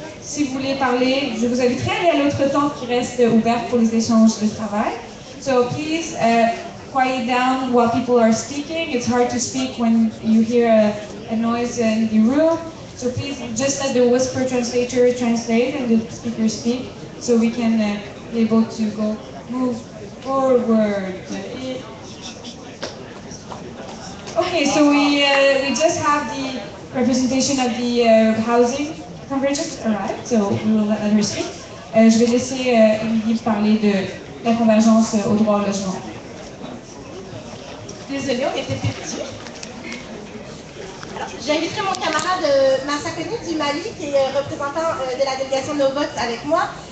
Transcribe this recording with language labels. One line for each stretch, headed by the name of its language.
French: Si vous voulez parler, je vous inviterai à aller à l'autre tente qui reste ouverte pour les échanges de travail.
English: So, please, quiet down while people are speaking. It's hard to speak when you hear a noise in the room. So please just let the whisper translator translate and the speaker speak so we can be able to go move forward. Okay, so we just have the representation of the housing convergence arrived, so we will let her speak.
French: Je vais laisser Emily parler de la convergence au droit au logement. Désolée, on était perdus. Alors, j'inviterai mon camarade Massa Kony du Mali, qui est représentant de la délégation de nos votes avec moi.